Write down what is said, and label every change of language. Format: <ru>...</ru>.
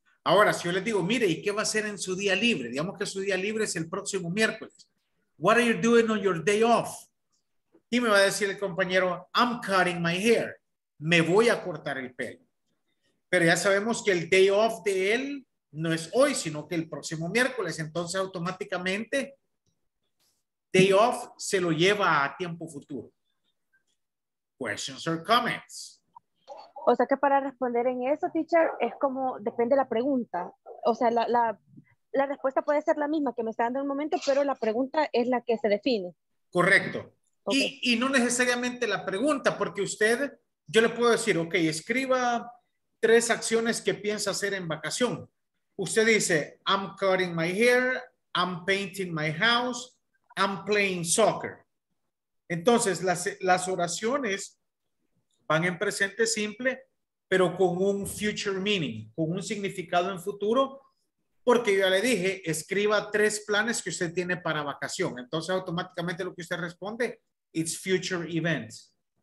<es>Ahora, si yo les digo, mire, ¿y qué va a hacer en su día libre? Digamos que su día libre es el próximo miércoles.</es> <en>What are you doing on your day off?</en> <es>Y me va a decir el compañero,</es> <en>I'm cutting my hair.</en> <es>Me voy a cortar el pelo. Pero ya sabemos que el day off de él no es hoy, sino que el próximo miércoles. Entonces, automáticamente, day off se lo lleva a tiempo futuro.</es> <en>Questions or comments?</en> <es>O sea que para responder en eso, teacher, es como depende de la pregunta. O sea, la respuesta puede ser la misma que me está dando en un momento, pero la pregunta es la que se define. Correcto. Okay. Y no necesariamente la pregunta, porque usted, yo le puedo decir, ok, escriba tres acciones que piensa hacer en vacación. Usted dice,</es> <en>I'm cutting my hair, I'm painting my house, I'm playing soccer.</en> <es>Entonces, las oraciones van en presente simple, pero con un future meaning, con un significado en futuro, porque yo ya le dije, escriba tres planes que usted tiene para vacación. Entonces, automáticamente lo que usted responde,</es> <en>it's future events.</en>